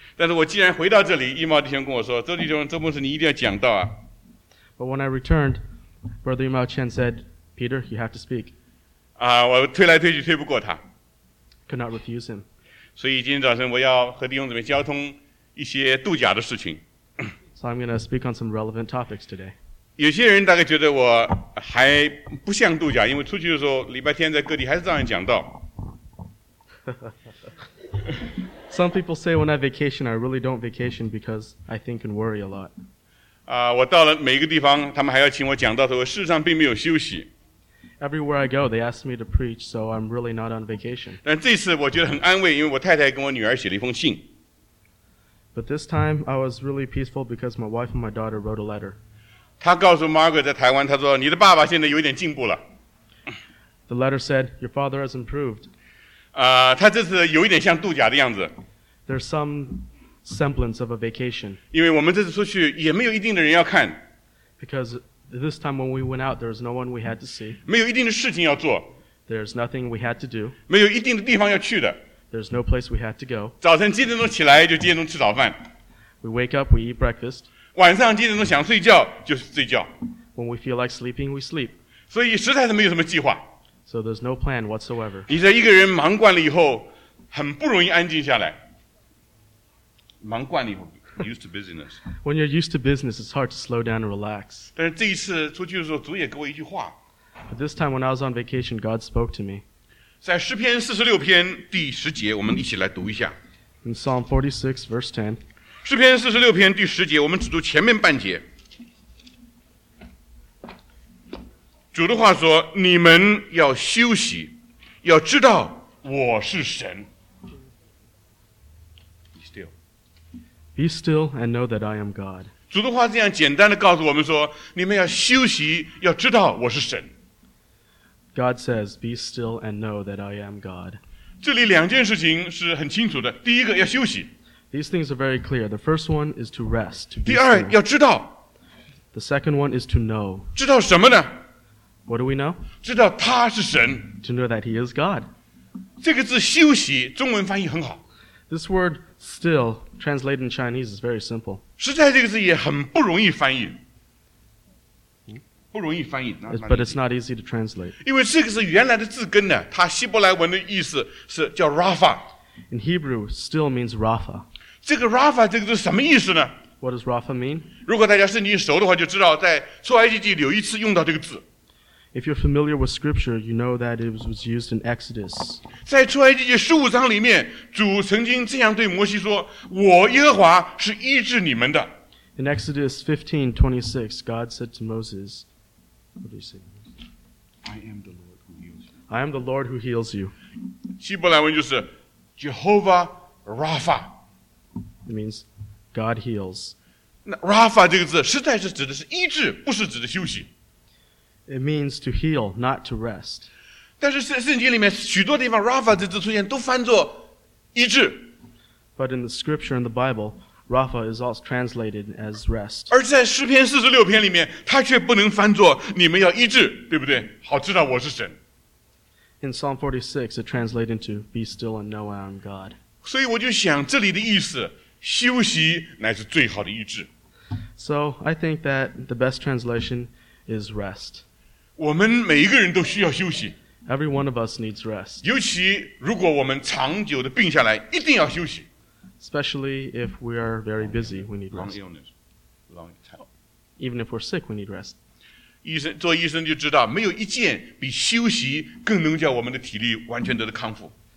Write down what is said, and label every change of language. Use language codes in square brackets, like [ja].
[zh] 但是我既然回到这里，一毛弟兄跟我说，周弟兄，周牧师，你一定要讲道啊。 [en] But when I returned, Brother Yimao Chen said, Peter, you have to speak. [zh] 啊，我推来推去推不过他。 [en] Could not refuse him. [zh] 所以今天早晨我要和弟兄姊妹交通一些度假的事情。 [en] So I'm going to speak on some relevant topics today. [zh] 有些人大概觉得我还不像度假，因为出去的时候，礼拜天在各地还是照样讲道。 [en] Some people say when I vacation, I really don't vacation because I think and worry a lot. [zh] 啊，我到了每一个地方，他们还要请我讲道，所以我事实上并没有休息。 [en] Everywhere I go, they ask me to preach, so I'm really not on vacation. [zh] 但这次我觉得很安慰，因为我太太跟我女儿写了一封信。 [en] But this time, I was really peaceful because my wife and my daughter wrote a letter. [zh] 她告诉 Margaret 在台湾，她说你的爸爸现在有点进步了。 [en] The letter said, "Your father has improved." [zh] 他这次有一点像度假的样子。 [en] There's some semblance of a vacation. [zh] 因为我们这次出去也没有一定的人要看。 [en] Because this time when we went out, there was no one we had to see. [zh] 没有一定的事情要做。 [en] There's nothing we had to do. [zh] 没有一定的地方要去的。 [en] There's no place we had to go. [zh] 早晨几点钟起来就几点钟吃早饭。 [en] We wake up, we eat breakfast. [zh] 晚上几点钟想睡觉就是睡觉。 [en] When we feel like sleeping, we sleep. [zh] 所以实在是没有什么计划。 [en] So there's no plan whatsoever. [zh] 你在一个人忙惯了以后，很不容易安静下来。忙惯了以后 ， [en] used to business. When you're used to business, it's hard to slow down and relax. [zh] 但是这一次出去的时候，主也给我一句话。 [en] But this time when I was on vacation, God spoke to me. [zh] 在诗篇四十六篇第十节，我们一起来读一下。 [en] In Psalm 46, verse 10. [zh] 诗篇四十六篇第十节，我们只读前面半节。主的话说，你们要休息，要知道我是神。 [en] Be still. Be still and know that I am God. [zh] 主的话这样简单地告诉我们说，你们要休息，要知道我是神。 [en] God says, be still and know that I am God. [zh] 这里两件事情是很清楚的，第一个要休息。 [en] These things are very clear. The first one is to rest. [zh] 第二，要知道。 [en] The second one is to know. [zh] 知道什么呢？ [en] What do we know? [zh] 知道他是神。 [en] To know that he is God. [zh] 这个字休息中文翻译很好。 [en] This word still translated in Chinese is very simple. [zh] 实在这个字也很不容易翻译。不容易翻译。 [en] But it's not easy to translate. [zh] 因为这个字原来的字根呢，它希伯来文的意思是叫 Rafa. [en] In Hebrew, still means Rafa. [zh] 这个 Rafa 这个字什么意思呢？ [en] What does Rafa mean? [zh] 如果大家圣经熟的话就知道在出埃及记有一次用到这个字。 [en] If you're familiar with scripture, you know that it was used in Exodus. [zh] 在出埃及记十五章里面，主曾经这样对摩西说，我耶和华是医治你们的。 [en] In Exodus 15:26, God said to Moses, what do you say? I am the Lord who heals you. I am the Lord who heals you. [zh] 希伯来文就是 Jehovah Rapha. [en] It means God heals. [zh] 那 Rapha 这个字实在是指的是医治，不是指的休息。 [en] It means to heal, not to rest. [zh] 但是圣经里面许多地方 Rapha 这字出现都翻作医治。 [en] But in the scripture in the Bible, Rapha is also translated as rest. [zh] 而在诗篇四十六篇里面，它却不能翻作你们要医治，对不对？好知道我是神。 [en] In Psalm 46, it translates into "Be still and know I am God." [zh] 所以我就想这里的意思，休息乃是最好的医治。 [en] So I think that the best translation. Is rest. [zh] 我们每一个人都需要休息。 [en] Every one of us needs rest. [zh] 尤其如果我们长久的病下来，一定要休息。 [en] Especially if we are very busy, we need rest. Long illness, long time. Even if we're sick, we need rest. [zh] 医生做医生就知道，没有一件比休息更能叫我们的体力完全得到康复。